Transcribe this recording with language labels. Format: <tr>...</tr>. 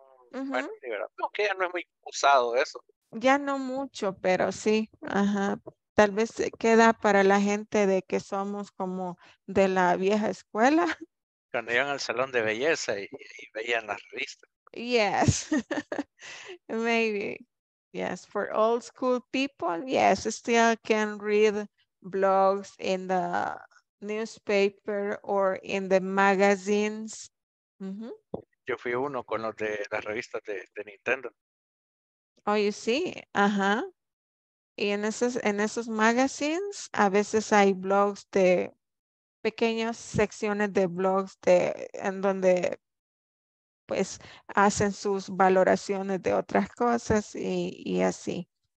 <es>Bueno, que ya no es muy usado eso. Ya no mucho, pero sí. Ajá. Tal vez queda para la gente de que somos como de la vieja escuela. Cuando iban al salón de belleza y veían las revistas.</es> <en>Yes. Maybe. Yes. For old school people, yes, still can read blogs in the newspaper or in the magazines. Mm-hmm.</en> <es>Yo fui uno con los de las revistas de Nintendo.</es> <en>Oh, you see. Uh-huh.</en> <es>Y en esos magazines, a veces hay blogs de pequeñas secciones de blogs de en donde pues hacen sus valoraciones de otras cosas y así.</es>